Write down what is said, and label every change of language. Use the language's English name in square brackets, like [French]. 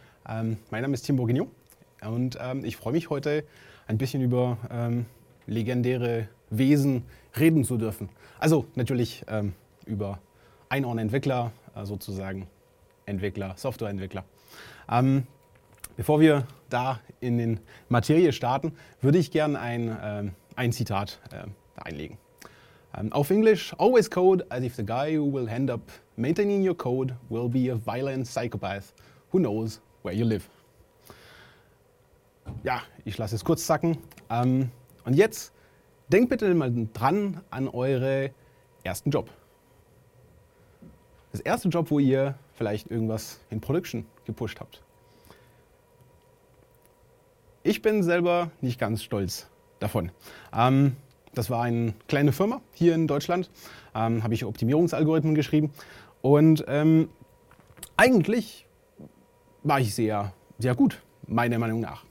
[German] Mein Name ist Tim Bourguignon und ich freue mich heute ein bisschen über legendäre Wesen reden zu dürfen. Also natürlich über Einhorn-Entwickler, sozusagen Entwickler, Software-Entwickler. Bevor wir da in den Materie starten, würde ich gerne ein Zitat da einlegen. Auf Englisch, [English] always code as if the guy who will end up maintaining your code will be a violent psychopath who knows where you live. [German] Ja, ich lasse es kurz sacken. Und jetzt denkt bitte mal dran an eure ersten Job. Das erste Job, wo ihr vielleicht irgendwas in Production gepusht habt. Ich bin selber nicht ganz stolz davon. Das war eine kleine Firma hier in Deutschland, habe ich Optimierungsalgorithmen geschrieben und eigentlich war ich sehr, sehr gut, meiner Meinung nach.